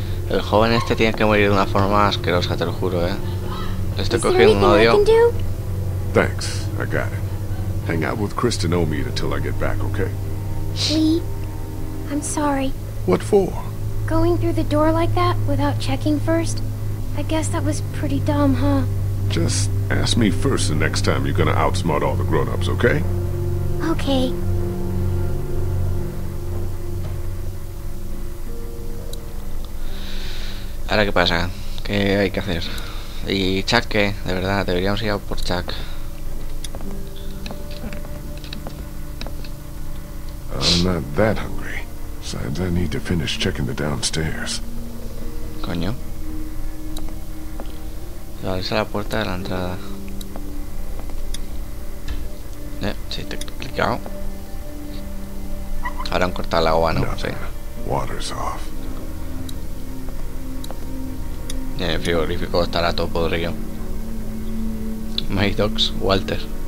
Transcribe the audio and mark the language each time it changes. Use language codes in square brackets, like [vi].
[es] El joven este tiene que morir de una forma asquerosa, te lo juro, eh. Estoy cogiendo un odio. [en] Thanks, I got it. Hang out with Kristen Omid until I get back, okay? Lee, I'm sorry. What for? Going through the door like that without checking first? I guess that was pretty dumb, huh? Just ask me first the next time you're gonna outsmart all the grown-ups, okay? Okay. [es] Ahora, ¿qué pasa? ¿Qué hay que hacer? ¿Y Chuck qué? De verdad, deberíamos ir a por Chuck. [en] I'm not that hungry. Besides, I need to finish checking the downstairs. [es] Coño. Se va a abrir la puerta de la entrada. Sí, te he clicado. Ahora han cortado el agua, ¿no? [en] Nothing. [es] Sí. [en] Water's off. [es] El frigorífico estará todo podrido. [en] My dogs, Walter.